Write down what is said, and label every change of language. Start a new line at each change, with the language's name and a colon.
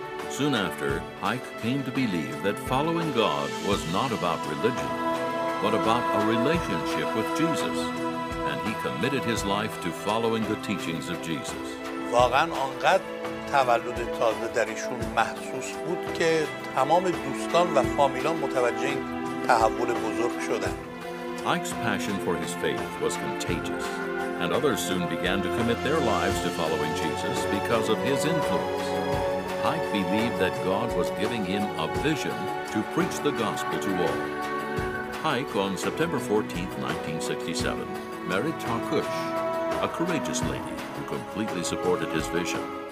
English: Soon after, Haik came to believe that following God was not about religion, but about a relationship with Jesus, and he committed his life to following the teachings of Jesus.
Persian: واقعاً آنقدر تولد تازه در ایشون محسوس بود که تمام دوستان و فامیلان متوجه این تحول بزرگ شدند.
English: Haik's passion for his faith was contagious, and others soon began to commit their lives to following Jesus because of his influence. Haik believed that God was giving him a vision to preach the gospel to all. Haik, on September 14, 1967, married Tarkush, a courageous lady who completely supported his vision.